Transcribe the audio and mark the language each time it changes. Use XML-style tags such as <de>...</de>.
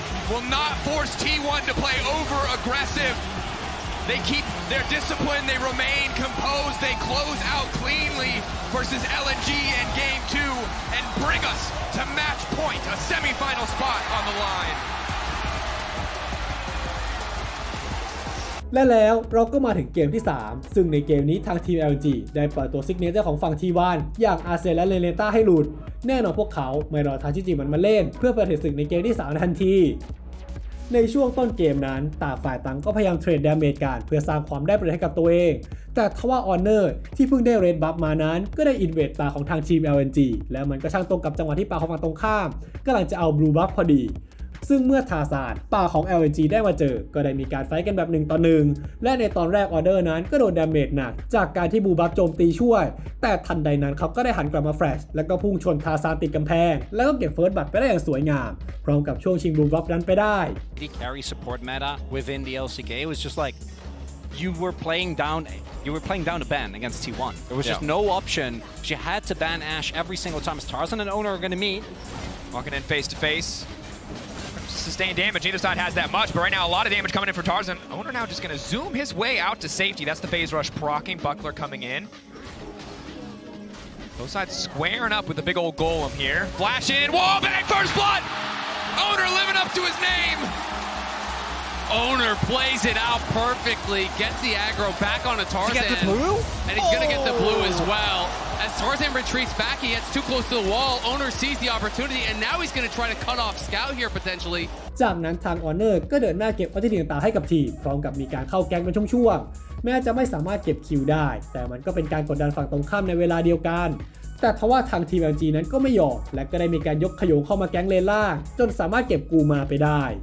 <en>will not force T1 to play over aggressive. They keep their discipline, they remain composed, they close out cleanly versus LNG in game two and bring us to match point, a semifinal spot on the line.</en> <th>และแล้วเราก็มาถึงเกมที่3ซึ่งในเกมนี้ทางทีม LG ได้เปิดตัวซิกเนเจอร์ของฝั่ง T1 อย่างอาเซและเรเนต้าให้หลุดแน่นอนพวกเขาไม่รอทาชิจิมันมาเล่นเพื่อเปิดศึกในเกมที่3ทันที ในช่วงต้นเกมนั้นต่างฝ่ายต่างก็พยายามเทรดแดเมจกันเพื่อสร้างความได้เปรียบให้กับตัวเองแต่ทว่าออนเนอร์ที่เพิ่งได้เรดบัฟมานั้นก็ได้อินเวดตาของทางทีม LNG แล้วมันก็ช่างตรงกับจังหวะที่ปาของฝั่งตรงข้ามกำลังจะเอาบลูบัฟพอดี ซึ่งเมื่อทาซานป่าของ LNG ได้มาเจอก็ได้มีการไฟต์กันแบบ1ต่อ1และในตอนแรกออเดอร์นั้นก็โดนดาเมจหนักจากการที่บูบัฟโจมตีช่วยแต่ทันใดนั้นเขาก็ได้หันกลับมาแฟลชแล้วก็พุ่งชนทาซานติดกำแพงแล้วก็เก็บเฟิร์สบัตไปได้อย่างสวยงามพร้อมกับช่วงชิงบูบัฟนั้นไปได้</th> <en>The carry support meta within the LCK was just like you were playing down a ban against T1 there was just no option she had to ban Ash every single time Tarzan and Owner are going to meet walking in face to faceSustained damage, neither side has that much, but right now a lot of damage coming in for Tarzan. Owner now just going to zoom his way out to safety. That's the phase rush proccing, Buckler coming in. Both sides squaring up with the big old golem here. Flash in, wall bang, first blood! Owner living up to his name! Owner plays it out perfectly, gets the aggro back onto Tarzan. Did he get the blue? And he's going to get the blue as well. As Tarzan retreats back, he gets too close to the wall. Owner sees the opportunity, and now he's going to try to cut off Scout here potentially.</en> <th>จากนั้นทางออนเนอร์ก็เดินหน้าเก็บออร์ดิเนียต่างให้กับทีมพร้อมกับมีการเข้าแก๊งเป็นช่วงๆแม้จะไม่สามารถเก็บคิวได้แต่มันก็เป็นการกดดันฝั่งตรงข้ามในเวลาเดียวกันแต่ทว่าทางทีม LG นั้นก็ไม่ยอมและก็ได้มีการยกขยงเข้ามาแก๊งเลนล่างจนสามารถเก็บกูมาไปได้</th>